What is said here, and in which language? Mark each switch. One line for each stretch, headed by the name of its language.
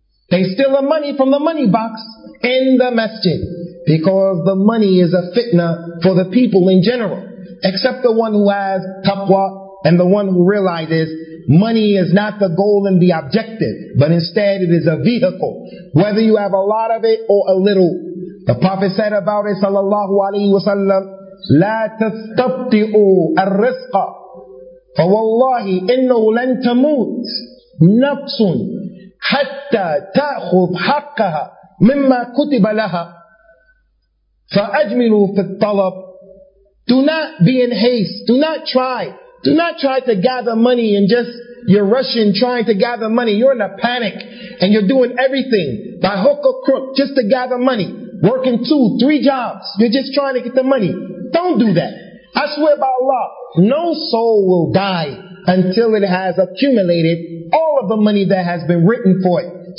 English: They steal the money from the money box in the masjid. Because the money is a fitna for the people in general. Except the one who has taqwa and the one who realizes money is not the goal and the objective, but instead it is a vehicle. Whether you have a lot of it or a little. The Prophet said about it, sallallahu alayhi wa sallam,
Arabic: لَا تَسْتَبْتِئُوا الرِّزْقَ فَوَاللَّهِ إِنَّهُ لَنْ تَمُوتْ نَفْسٌ حَتَّى تَأْخُذْ حَقَّهَا مِمَّا كُتِبَ لَهَا فَأَجْمِلُوا فِي الطَّلَبْ.
English: Do not be in haste. Do not try. Do not try to gather money and just, you're rushing trying to gather money. You're in a panic and you're doing everything by hook or crook just to gather money. Working 2-3 jobs. You're just trying to get the money. Don't do that. I swear by Allah, no soul will die until it has accumulated all of the money that has been written for it.